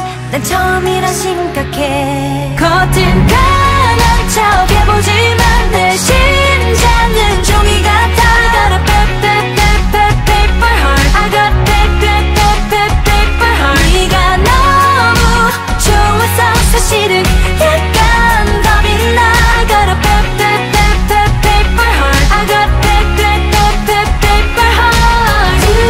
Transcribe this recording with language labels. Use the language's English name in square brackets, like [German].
[Korean] 난 처음이라 심각해. 겉은 가는 척 해보지만 내 심장은 종이 같아. [English] I got a paper, paper, paper heart. I got paper, paper, paper heart. [Korean] 네가 너무 좋아서 사실은 약간 겁이 나. [English] I got a paper, paper, paper heart. I got paper, paper, paper heart.